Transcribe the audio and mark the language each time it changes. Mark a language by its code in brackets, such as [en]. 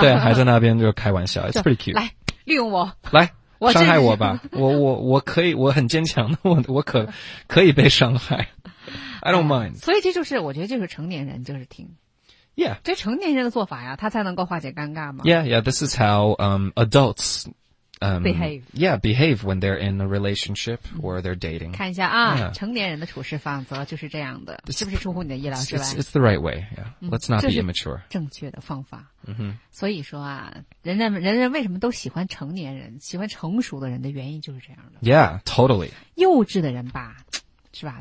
[zh] 对啊，对，还在那边就开玩笑， [en] It's pretty cute。 [zh] 来利用我，来。伤害我吧，我可以，我很坚强的，我可以被伤害 ， [en] I don't mind。 [zh] 所以这就是我觉得就是成年人就是挺 [en] ，Yeah， [zh] 这成年人的做法呀，他才能够化解尴尬嘛。 [en] Yeah, yeah, this is how adults behave. Yeah, behave when they're in a relationship or they're dating. [zh] 看一下啊， yeah. 成年人的处事方则就是这样的， [en] it's, [zh] 是不是出乎你的意料之外 [en] ？It's the right way. Yeah, let's not be immature. [zh] 正确的方法。 Mm-hmm. 所以说啊，人为什么都喜欢成年人，喜欢成熟的人的原因就是这样的。 [en] Yeah, totally. [zh] 幼稚的人吧，是吧？